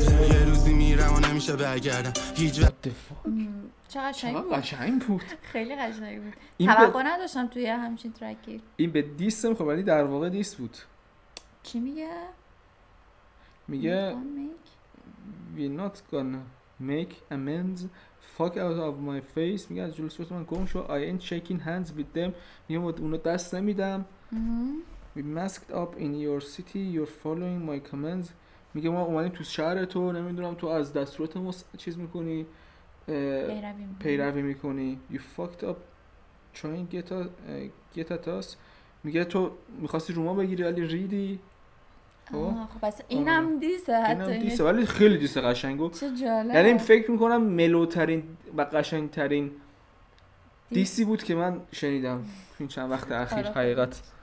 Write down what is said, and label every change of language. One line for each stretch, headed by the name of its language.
Persian: یه روزی میرم و نمیشه برگردم هیچ وقت. چقدر قشنگ بود. خیلی قشنگ بود. توقع نداشتم توی همچین ترکی. این به دیست میخواه، ولی در واقع دیست بود. چی میگه؟ میگه
English: We're not gonna make amends, fuck out of my face.
Persian: میگه از جلوی صورت من گم شو.
English: I ain't shaking hands with them.
Persian: میگم اونو دست نمیدم.
English: We masked up in your city, you're following my commands.
Persian: میگه ما اومدیم تو شهر تو، نمیدونم تو از دستورات ما چیز میکنی، پیروی میکنی.
English: You fucked up trying get at us.
Persian: میگه تو میخواستی روما بگیری ولی ریدی. خب بس اینم دیسه، حتی ولی خیلی دیسه قشنگو. چه جالب. یعنی فکر میکنم ملوترین و قشنگترین دیسی بود که من شنیدم این چند وقت اخیر حقیقت.